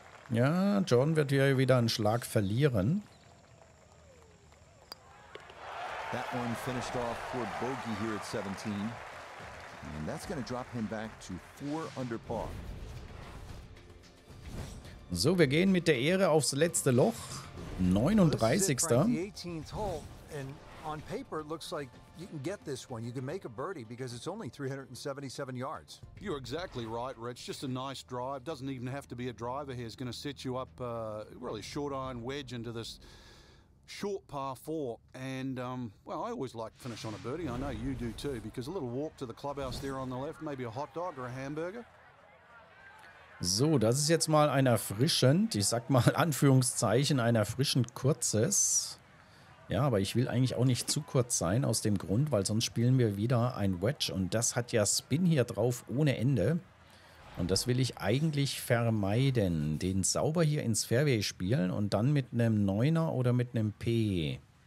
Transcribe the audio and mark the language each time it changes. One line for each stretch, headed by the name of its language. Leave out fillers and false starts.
German: Ja, Jordan wird hier wieder einen Schlag verlieren.
English: That one finished off for bogey here at 17. And that's going to drop him back to 4 under par.
German: So, wir gehen mit der Ehre aufs letzte Loch. 39.
English: This is the 18th hole. And on paper, it looks like you can get this one. You can make a birdie because it's only 377 yards. You're exactly right, Rich. Just a nice drive. Doesn't even have to be a driver here. It's going to set you up really short iron wedge into this short par 4, and well, I always like to finish on a birdie. I know you do too, because a little walk to the clubhouse there on the left, maybe a hot dog or a hamburger.
German: So, das ist jetzt mal ein erfrischend, ich sag mal Anführungszeichen, ein erfrischend kurzes. Ja, aber ich will eigentlich auch nicht zu kurz sein, aus dem Grund, weil sonst spielen wir wieder ein Wedge und das hat ja Spin hier drauf ohne Ende. Und das will ich eigentlich vermeiden, den sauber hier ins Fairway spielen und dann mit einem 9er oder mit einem P.